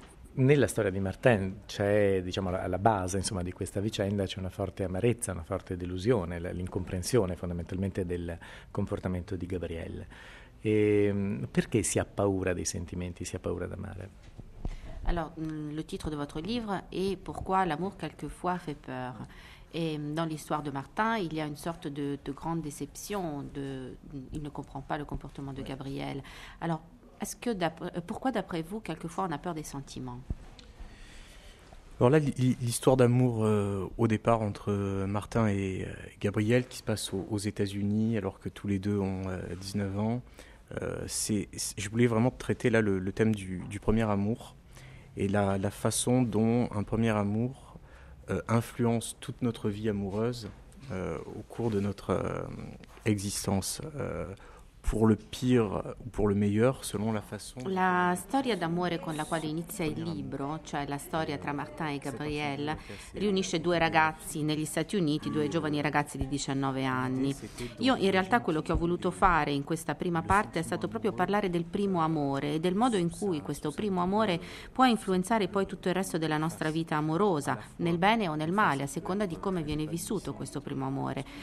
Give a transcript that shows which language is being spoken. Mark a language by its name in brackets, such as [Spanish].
[Italian] Nella storia di Martin c'è, diciamo, alla base, insomma, di questa vicenda c'è una forte amarezza, una forte delusione, l'incomprensione fondamentalmente del comportamento di Gabrielle. E perché si ha paura dei sentimenti, si ha paura d'amare? [French] Alors, le titre de votre livre est Pourquoi l'amour quelquefois fait peur? Et dans l'histoire de Martin, il y a une sorte de grande déception, il ne comprend pas le comportement de Gabrielle. Alors, pourquoi, d'après vous, quelquefois on a peur des sentiments? Alors là, l'histoire d'amour au départ entre Martin et Gabrielle, qui se passe aux États-Unis alors que tous les deux ont 19 ans, je voulais vraiment traiter là le thème du premier amour et la façon dont un premier amour influence toute notre vie amoureuse au cours de notre existence. Pour le pire ou pour le meilleur, selon la façon. [Italian] La storia d'amore con la quale inizia il libro, cioè la storia tra Martin e Gabrielle, riunisce due ragazzi negli Stati Uniti, due giovani ragazzi di 19 anni. Io in realtà quello che ho voluto fare in questa prima parte è stato proprio parlare del primo amore e del modo in cui questo primo amore può influenzare poi tutto il resto della nostra vita amorosa, nel bene o nel male, a seconda di come viene vissuto questo primo amore.